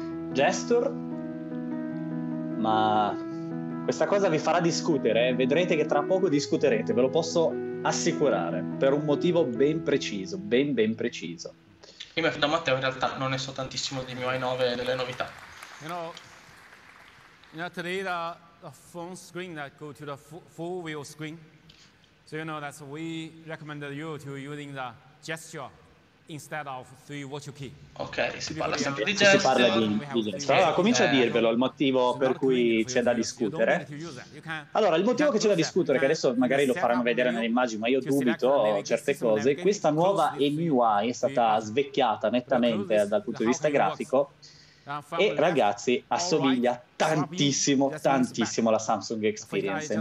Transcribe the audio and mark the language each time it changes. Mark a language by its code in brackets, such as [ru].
[it] Gesture? Ma questa cosa vi farà discutere, eh? Vedrete che tra poco discuterete, ve lo posso assicurare, per un motivo ben preciso, ben preciso. Io mi affido a Matteo, in realtà non ne so tantissimo di MIUI 9 e delle novità. [en] You know today the phone screen that go to the full view screen. So you know that we recommended you to using the gesture instead of three virtual key. [it] Ok, si parla sempre di gesture. Si parla di gesture. Allora, comincio a dirvelo il motivo per cui c'è da discutere. Allora, il motivo che c'è da discutere, che adesso magari lo faranno vedere nelle immagini, ma io dubito certe cose, questa nuova MIUI è stata svecchiata nettamente dal punto di vista grafico e, ragazzi, assomiglia tantissimo alla Samsung Experience.